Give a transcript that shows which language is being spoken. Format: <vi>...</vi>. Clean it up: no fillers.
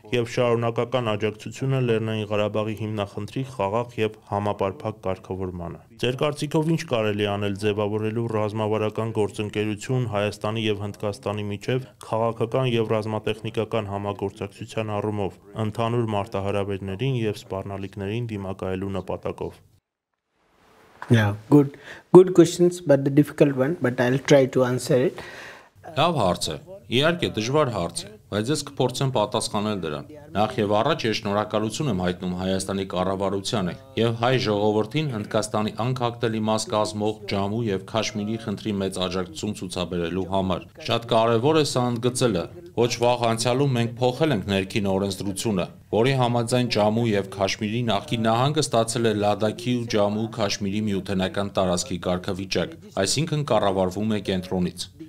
<hy>և շարունակական աջակցությունը Լեռնային Ղարաբաղի հիմնախնդրի խաղաղ և համապարփակ կարգավորմանը։ Ձեր կարծիքով ինչ կարելի անել ձևավորելու ռազմավարական գործընկերություն Հայաստանի և Հնդկաստանի միջև քաղաքական և ռազմատեխնիկական համագործակցության առումով, ընդհանուր մարտահրավերներին և սպառնալիքներին դիմակայելու նպատակով։</hy> <en>Good questions, but the difficult one, but I'll try to answer it.</en> <hy>Լավ հարց է, Իհարկե դժվար հարց է, բայց ես կփորձեմ պատասխանել դրան։ Նախ եւ առաջ ես շնորհակալություն եմ հայտնում Հայաստանի կառավարությանը եւ հայ ժողովրդին Հնդկաստանի անկախտելի մաս կազմող Ջամու եւ Քաշմիրի խնդրի մեծ աջակցություն ցուցաբերելու համար։ Շատ կարեւոր է սա ընդգծելը։ Ոչ վաղ անցյալում մենք փոխել ենք ներքին օրենսդրությունը, որի համաձայն Ջամու եւ Քաշմիրի նախկին նահանգը ստացել է Լադաքի ու Ջամու Քաշմիրի միութենական տարածքի կարգավիճակ, այսինքն կառավարվում է կենտրոնից։</hy>